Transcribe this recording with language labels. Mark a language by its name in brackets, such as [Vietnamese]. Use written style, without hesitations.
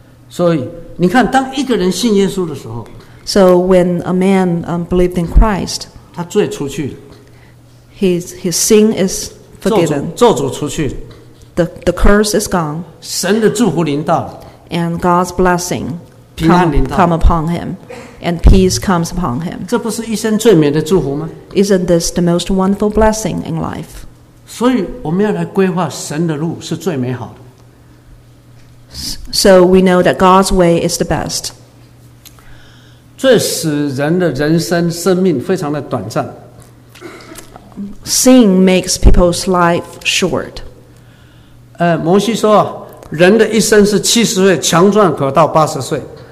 [Chinese] 所以。你看，当一个人信耶稣的时候 [English] ，So when a man believed in Christ， [Chinese] 他罪除去 [English] ，His sin is forgiven， [Chinese] 咒诅除去 [English] ，The curse is gone， [Chinese] 神的祝福临到 [English] ，And God's blessing come upon him， and peace comes upon him。 [Chinese] 这不是一生最美的祝福吗 [English] ？Isn't this the most wonderful blessing in life？ [Chinese] 所以我们要来规划神的路是最美好的。 [English] So we know that God's way is the best. [Chinese] 罪使人的人生生命非常的短暂。 [English] Sin makes people's life short. [Chinese] 摩西说，人的一生是70岁，强壮可到80岁。